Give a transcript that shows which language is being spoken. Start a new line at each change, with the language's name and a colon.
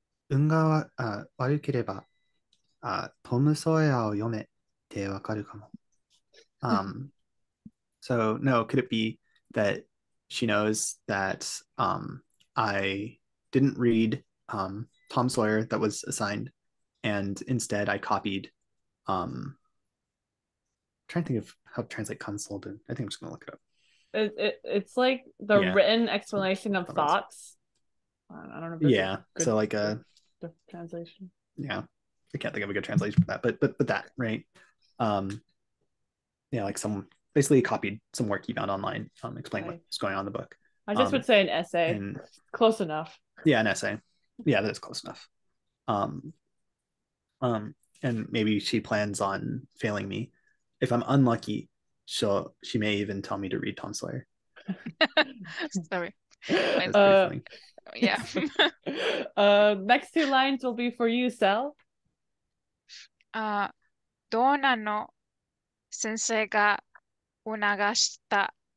Japanese: 運が悪ければ、トム・ソーヤーを読めってわかるかも。
English: So, no, could it be that she knows that I didn't read Tom Sawyer that was assigned, and instead I copied. Trying to think of how to translate console. I think I'm just gonna look it up. It's like the yeah. written explanation of thoughts. I don't know. If yeah. Good, so like a translation. Yeah, I can't think of a good translation for that. But that right. Yeah, like some basically copied some work he found online. Explain right. what's going on in the book. I just would say an essay. And, close enough. Yeah, an essay. Yeah, that's close enough. And maybe she plans on failing me. If I'm unlucky, she may even tell me to read Tom Sawyer. Sorry. That's pretty funny. Yeah. next two lines will be for you, Sel.
Japanese: どうなの先生が促した